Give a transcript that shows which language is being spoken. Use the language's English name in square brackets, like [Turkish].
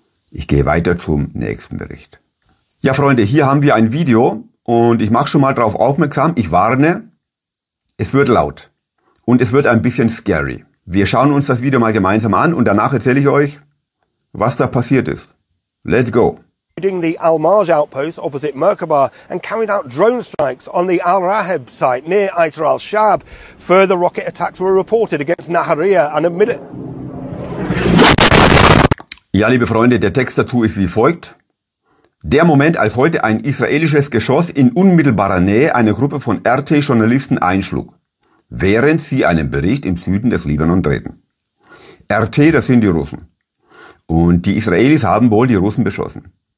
[German] Ich gehe weiter zum nächsten Bericht. Ja, Freunde, hier haben wir ein Video und ich mache schon mal darauf aufmerksam. Ich warne, es wird laut und es wird ein bisschen scary. Wir schauen uns das Video mal gemeinsam an und danach erzähle ich euch, was da passiert ist. [English] Let's go! The Al Marj outpost opposite Merkaba and carried out drone strikes on the Al Raheb site near Aitar al Shab. Further rocket attacks were reported against Nahariya and [German] Ja, liebe Freunde, der Text dazu ist wie folgt. Der Moment, als heute ein israelisches Geschoss in unmittelbarer Nähe eine Gruppe von RT-Journalisten einschlug, während sie einen Bericht im Süden des Libanon drehten. RT, das sind die Russen. Und die Israelis haben wohl die Russen beschossen.